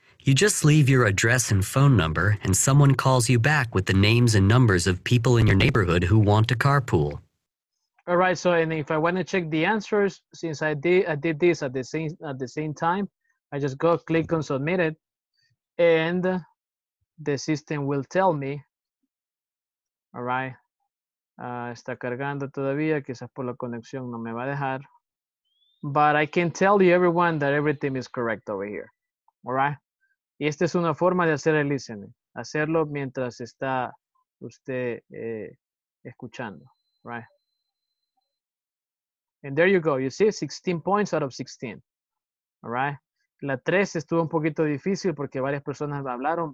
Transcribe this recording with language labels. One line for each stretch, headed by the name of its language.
English: You just leave your address and phone number, and someone calls you back with the names and numbers of people in your neighborhood who want to carpool. All right, so and if I want to check the answers, since I did this at the same time, I just go click on submit it, and the system will tell me. All right.
Spanish: Está cargando todavía, quizás por la conexión no me va a dejar.
English: But I can tell you everyone that everything is correct over here. All right.
Spanish: Y esta es una forma de hacer el listening. Hacerlo mientras está usted escuchando. Right.
English: And there you go. You see 16 points out of 16. All right.
Spanish: La 3 estuvo un poquito difícil porque varias personas hablaron.